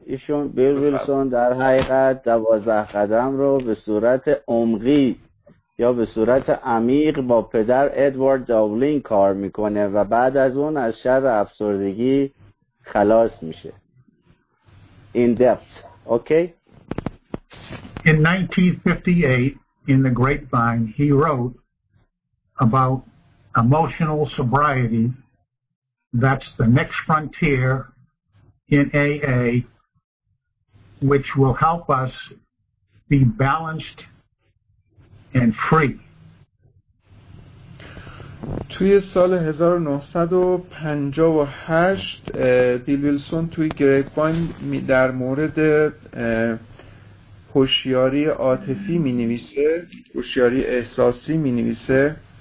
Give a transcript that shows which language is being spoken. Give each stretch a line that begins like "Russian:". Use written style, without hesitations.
Persian: ایشون بیل ویلسون در حقیقت 12 قدم رو به صورت عمقی یا به صورت عمیق با پدر ادوارد داولین کار میکنه و بعد از اون از شر افسردگی خلاص میشه.
English: In depth. Okay. In 1958 in the grapevine, he wrote about emotional sobriety. That's the next frontier in AA, which will help us be balanced and free.
Persian: توی سال 1958 بیل ویلسون توی گریپوین در مورد هوشیاری عاطفی می نویسه، هوشیاری احساسی می نویسه.